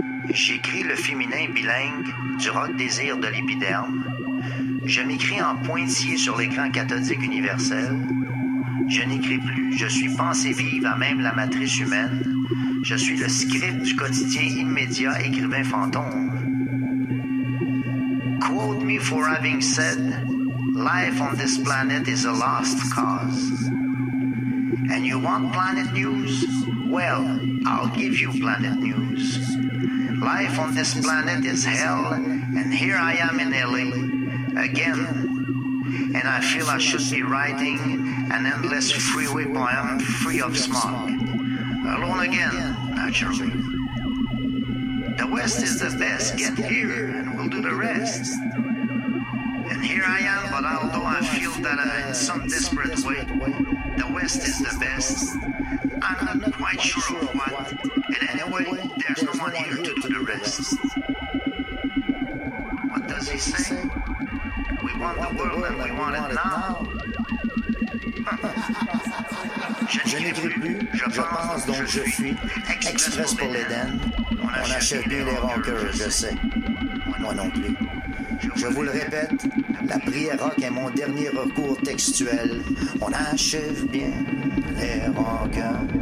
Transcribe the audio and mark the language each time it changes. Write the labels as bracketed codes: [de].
[fr] J'écris le féminin bilingue du Roc Désir de l'épiderme. Je m'écris en pointillé sur l'écran cathodique universel. Je n'écris plus. Je suis pensée vive à même la matrice humaine. Je suis le script du quotidien immédiat écrivain fantôme. [en] Quote me for having said... Life on this planet is a lost cause. And you want planet news? Well, I'll give you planet news. Life on this planet is hell, and here I am in LA again. And I feel I should be writing an endless freeway poem free of smog. Alone again, naturally. The West is the best, get here and we'll do the rest. Here I am, but although I feel that in some desperate way, the West is the best, I'm not quite sure of what, and anyway, there's no one here to do the rest. What does he say? We want the world and we want it now. [fr] Je n'écris plus, je pense donc je suis express pour l'Éden. On achète bien les rancœurs, je sais. Moi non plus. Je vous le répète, la prière rock est mon dernier recours textuel. On achève bien les rancœurs.